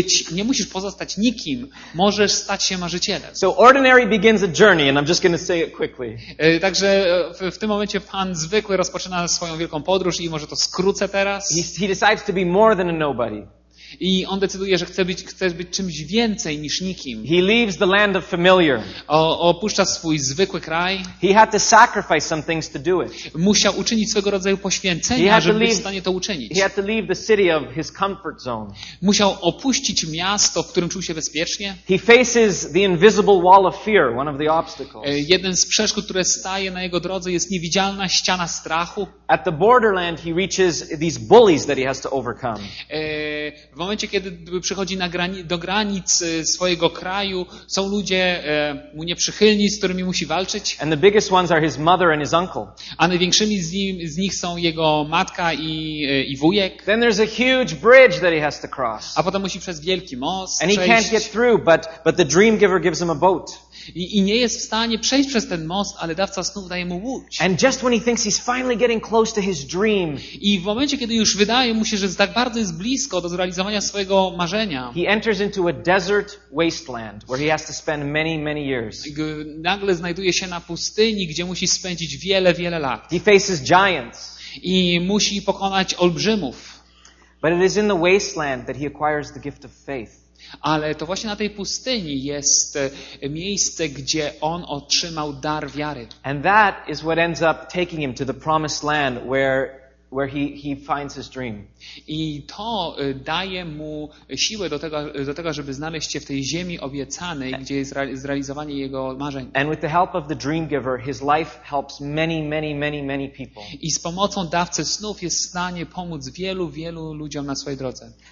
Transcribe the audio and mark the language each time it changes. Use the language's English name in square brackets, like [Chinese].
[Polish] Nie musisz pozostać nikim. Możesz stać się marzycielem. [English] So Ordinary begins a journey, and I'm just going to say it quickly. [Polish] Także w tym momencie pan zwykły rozpoczyna swoją wielką podróż i może to skrócę teraz. [English] He decides to be more than a nobody. [Polish] I on decyduje, że chce być czymś więcej niż nikim. [English] He leaves the land of familiar. [Polish] Opuszcza swój zwykły kraj. [English] He had to sacrifice some things to do it. [Polish] Musiał uczynić swego rodzaju poświęcenia, żeby być w stanie to uczynić. [English] He had to leave the city of his comfort zone. [Polish] Musiał opuścić miasto, w którym czuł się bezpiecznie. [English] He faces the invisible wall of fear, one of the obstacles. [Polish] Jeden z przeszkód, które staje na jego drodze, jest niewidzialna ściana strachu. [English] At the borderland he reaches these bullies that he has to overcome. [Polish] W momencie, kiedy przychodzi do granic swojego kraju, są ludzie mu nieprzychylni, z którymi musi walczyć. [English] And the biggest ones are his mother and his uncle. [Polish] A największymi z nich są jego matka i wujek. [English] Then there's a huge bridge that he has to cross. [Polish] A potem musi przez wielki most przejść. [English] And he can't get through, but the dream giver gives him a boat. [Polish] I nie jest w stanie przejść przez ten most, ale dawca snów daje mu łódź. [English] And just when he thinks he's finally getting close to his dream, [Polish] i w momencie, kiedy już wydaje mu się, że tak bardzo jest blisko do zrealizowania swojego marzenia, [English] he enters into a desert wasteland where he has to spend many, many years. [Polish] Nagle znajduje się na pustyni, gdzie musi spędzić wiele, wiele lat. [English] He faces giants. [Polish] I musi pokonać olbrzymów. [English] But it is in the wasteland that he acquires the gift of faith. [Polish] Ale to właśnie na tej pustyni jest miejsce, gdzie on otrzymał dar wiary. [English] And that is what ends up taking him to the promised land where he finds his dream. [Polish] I to daje mu siłę do tego, żeby znaleźć się w tej ziemi obiecanej, gdzie jest zrealizowanie jego marzeń. [English] And with the help of the dream giver, his life helps many, many, many, many people. [Polish] I z pomocą dawcy snów jest w stanie pomóc wielu, wielu ludziom na swojej drodze.